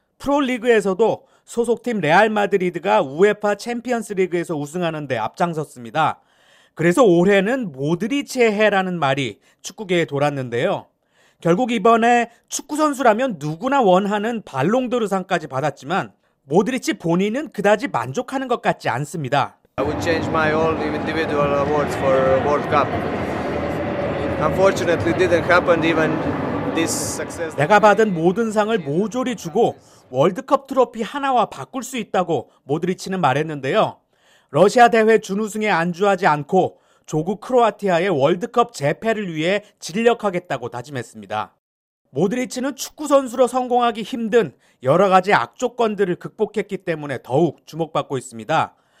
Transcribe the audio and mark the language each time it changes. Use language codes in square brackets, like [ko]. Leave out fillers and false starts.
[ko] 프로리그에서도 소속팀 레알마드리드가 UEFA 챔피언스리그에서 우승하는 데 앞장섰습니다. 그래서 올해는 모드리치의 해라는 말이 축구계에 돌았는데요. 결국 이번에 축구선수라면 누구나 원하는 발롱도르 상까지 받았지만 모드리치 본인은 그다지 만족하는 것 같지 않습니다. [en] I would change my all individual awards for World Cup. Unfortunately, it didn't happen even this success. [ko] 내가 받은 모든 상을 모조리 주고 월드컵 트로피 하나와 바꿀 수 있다고 모드리치는 말했는데요. 러시아 대회 준우승에 안주하지 않고 조국 크로아티아의 월드컵 재패를 위해 진력하겠다고 다짐했습니다. 모드리치는 축구 선수로 성공하기 힘든 여러 가지 악조건들을 극복했기 때문에 더욱 주목받고 있습니다.